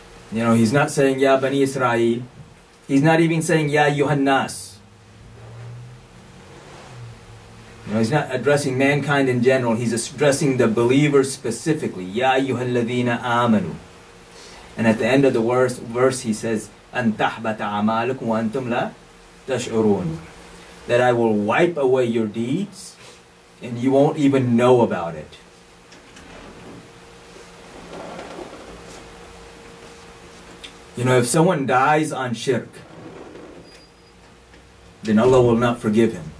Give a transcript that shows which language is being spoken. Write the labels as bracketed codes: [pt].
[en] You know, he's not saying, [ar] Ya Bani Israel. [en] He's not even saying, Ya ayyuhannas. You know, he's not addressing mankind in general. He's addressing the believers specifically. [ar] Ya ayyuhalladhina amanu. [en] And at the end of the verse he says, [ar] أن تحبط أعمالكم وأنتم لا تشعرون. [en] That I will wipe away your deeds and you won't even know about it. You know, if someone dies on shirk, then Allah will not forgive him.